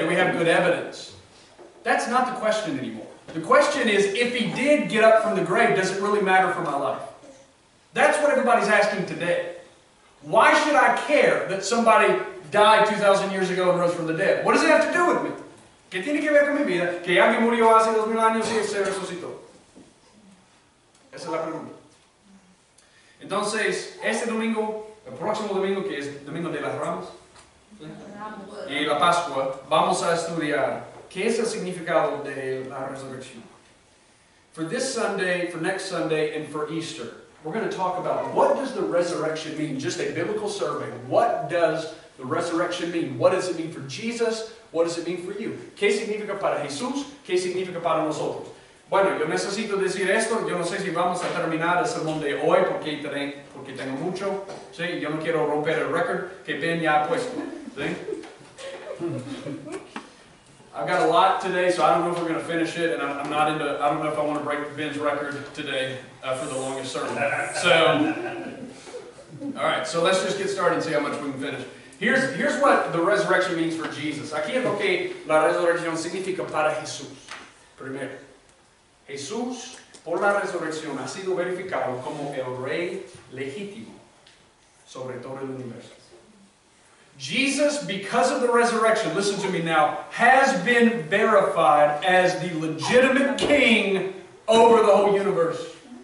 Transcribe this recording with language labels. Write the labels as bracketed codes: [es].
[en] Do we have good evidence? That's not the question anymore. The question is, if he did get up from the grave, does it really matter for my life? That's what everybody's asking today. Why should I care that somebody died 2,000 years ago and rose from the dead? What does it have to do with me? [es] ¿Qué tiene que ver con mi vida? Que ya alguien murió hace 2,000 años y se resucitó. Esa es la pregunta. Entonces, este domingo, el próximo domingo, que es Domingo de las Ramas, y la Pascua, vamos a estudiar qué es el significado de la resurrección. [en] For this Sunday, for next Sunday, and for Easter, we're going to talk about what does the resurrection mean? Just a biblical survey. What does the resurrection mean? What does it mean for Jesus? What does it mean for you? [es] ¿Qué significa para Jesús? ¿Qué significa para nosotros? Bueno, yo necesito decir esto. Yo no sé si vamos a terminar el sermón de hoy porque tengo mucho. ¿Sí? Yo no quiero romper el récord que Ben ya ha puesto. ¿Sí? [en] I've got a lot today, so I don't know if we're going to finish it, and I'm not into, I don't know if I want to break Ben's record today for the longest sermon. So, all right, so let's just get started and see how much we can finish. Here's what the resurrection means for Jesus. [es] Aquí es lo que la resurrección significa para Jesús. Primero, Jesús, por la resurrección, ha sido verificado como el rey legítimo sobre todo el universo. [en] Jesus, because of the resurrection, listen to me now, has been verified as the legitimate king over the whole universe.